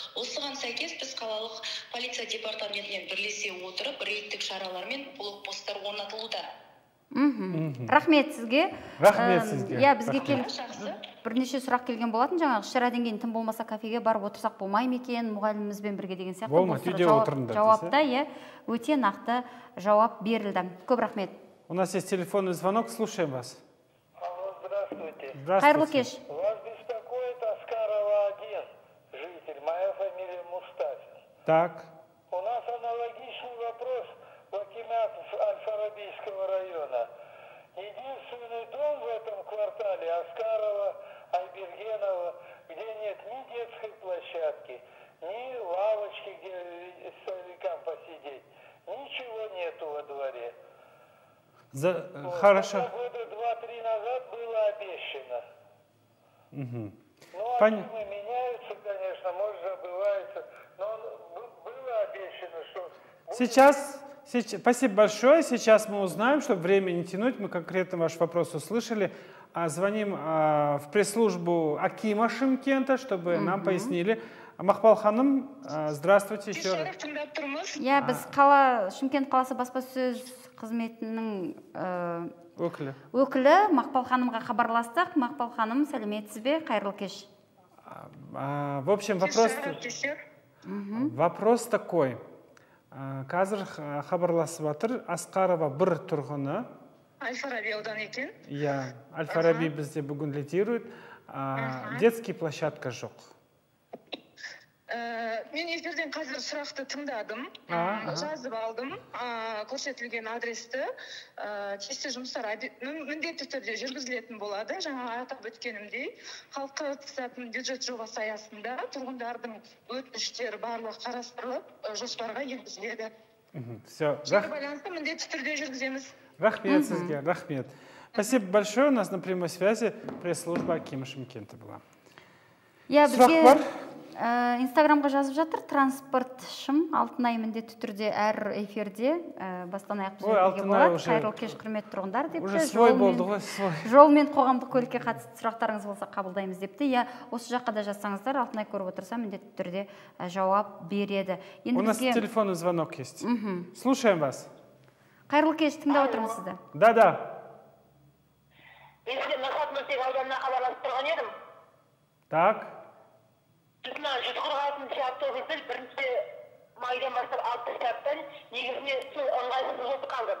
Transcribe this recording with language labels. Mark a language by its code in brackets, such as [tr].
[kk] Осыған сәйкес біз қалалық полиция департаментімен бірлесе отырып рейдтік шаралар мен блокпосттар орнатылуда. Рахмет сізге. Рахмет сізге. Я бізге келіп бірнеше сұрақ келген болатын, жаңағы шырадан кейін тым болмаса кафеге барып отырсақ болмай ма екен, мұғалімімізбен бірге деген сияқты жауапта, иә, өте нақты жауап берілді. Көп рахмет. [ru] У нас есть телефонный звонок, слушаем вас. Алло, здравствуйте. Здравствуйте. Вас беспокоит Аскарова 1, житель. Моя фамилия Мустафин. Так. У нас аналогичный вопрос в акимате Альфа-Арабийского района. Единственный дом в этом квартале Аскарова, Айбергенова, где нет ни детской площадки, площадки, ни лавочки, где с старикам посидеть. Ничего нету во дворе. За... Вот. Хорошо. Это года 2-3 назад было обещано. Угу. Ну, а темы меняются, конечно, может, забываются. Но было обещано, что... Сейчас... Спасибо большое. Сейчас мы узнаем, чтобы время не тянуть. Мы конкретно ваш вопрос услышали. Звоним в пресс-службу Акима Шымкента, чтобы нам пояснили. Мақпал ханым, здравствуйте еще раз. [kk] Я біз қала Шымкент қаласы баспасөз қызметінің өкілі Мақпал ханымға хабарластық. Мақпал ханым, сәлеметсіз бе, қайырлы кеш. [ru] В общем, вопрос... Вопрос такой. [kk] Қазір хабарласып атыр, Асқарова бір тұрғыны. Альфараби одан екен. Иә, Альфараби бізде бүгін [ru] лидирует. Детский площадка [kk] жоқ. Мен эфирден қазір сұрақты тыңдадым, жазып алдым, көрсетілген адресті. Тиісті жұмыстар міндетті түрде жүргізілетін болады. Жаңа атап өткенімдей, халыққа қатысатын бюджет жобасы аясында тұрғындардың өтініштері барлығы қарастырылып, жоспарға енгізіледі. [ru] Все. [kk] Байланысты міндетті түрде жүргіземіз. Рахмет сізге, рахмет. [ru] Спасибо большое, у нас на прямой связи пресс-служба Акима Шымкента была. [kk] Я бізге инстаграмға жазып жатыр, транспорт шым, алтынай міндетті түрде әр эфирде бастанайық бізге болады. Қайырлы кеш, құрметті тұрғындар деп. [ru] Уже свой [kk] болды ғой, [ru] свой. [kk] Жол мен қоғамдық көлікке қатысты сұрақтарыңыз болса қабылдаймыз депті. Я осы жаққа да жазсаңыздар, алтынай көріп отырса міндетті түрде жауап береді. [ru] У нас телефонный звонок есть. Слушаем вас. [kk] Қайырлы кеш, тыңдап отырмыз сізді. [ru] Да-да. [kk] Мен сізге Нұрхат Мөртек ауданына хабарласып тұрған едім. [ru] Так. [kk] Сіз мына 146 автобустар бірінші майдан бастап 6 сағаттан негізіне су ыңғайсыз болып қалды.